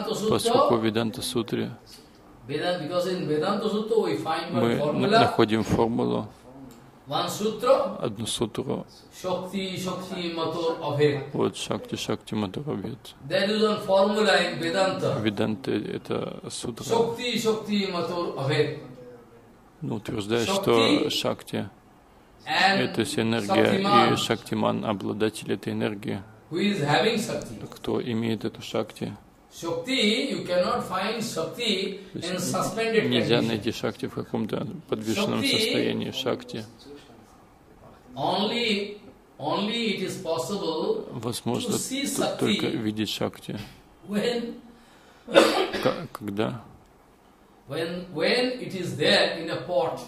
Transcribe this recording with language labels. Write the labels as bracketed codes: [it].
[ru] Поскольку в Веданта Сутре мы находим формулу, одну сутру, вот [sa] Шакти Шакти Матур Абхед. [ru] Веданта — это сутра. Ну, утверждает, что Шакти — это энергия, и Шактиман — обладатель этой энергии. Кто имеет эту Шакти? [en] Shakti, you cannot find Shakti in suspended condition. [ru] Нельзя найти Шакти в каком-то подвешенном состоянии. Шакти. [en] Only it is possible to see Shakti. [ru] Возможно только видеть Шакти. Когда? [en] When it is there in a pot.